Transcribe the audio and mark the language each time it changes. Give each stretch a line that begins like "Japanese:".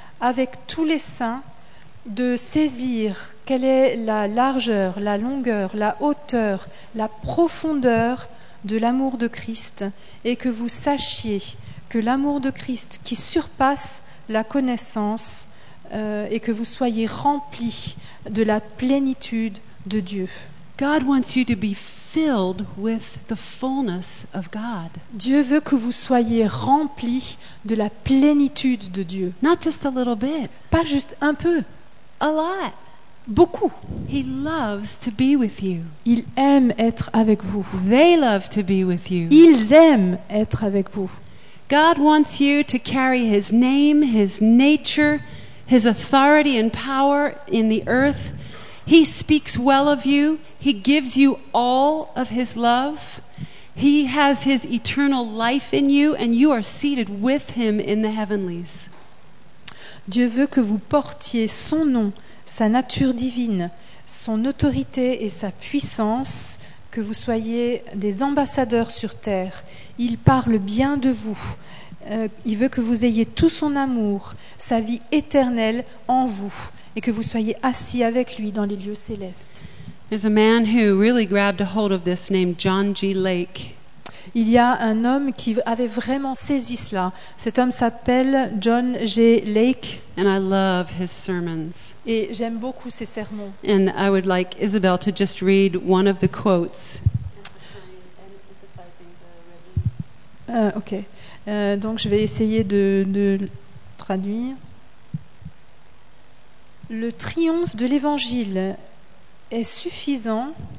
French: avec tous les saints de saisir quelle est la largeur, la longueur, la hauteur, la profondeur de l'amour de Christ, et que vous sachiez que l'amour de Christ qui surpasse la connaissance, et que vous soyez remplis de la plénitude de Dieu.
English: God wants you to be filled with the fullness of God.
French: Dieu veut que vous soyez remplis de la plénitude de Dieu.
English: Not just a little bit.
French: Pas juste un peu.
English: A lot.
French: Beaucoup.
English: He loves to be with you.
French: Il aime être avec vous.
English: They love to be with you.
French: Ils aiment être avec vous.
English: God wants you to carry his name, his nature, his authority and power in the earth. He speaks well of you. He gives you all of his love. He has his eternal life in you, and you are seated with him in the heavenlies.
French: Dieu veut que vous portiez son nom, sa nature divine, son autorité et sa puissance, que vous soyez des ambassadeurs sur terre. Il parle bien de vous. Il veut que vous ayez tout son amour, sa vie éternelle en vous, et que vous soyez assis avec lui dans les lieux célestes.
English: There's a man who really grabbed a hold of this named John G. Lake.
French: Il y a un homme qui avait vraiment saisi cela. Cet homme s'appelle John G. Lake.
English: And I love his sermons.
French: Et j'aime beaucoup ses sermons.
English: And I would like Isabel to just read one of the quotes. Okay.
French: Donc je vais essayer de traduire. Le triomphe de l'Évangile est suffisant.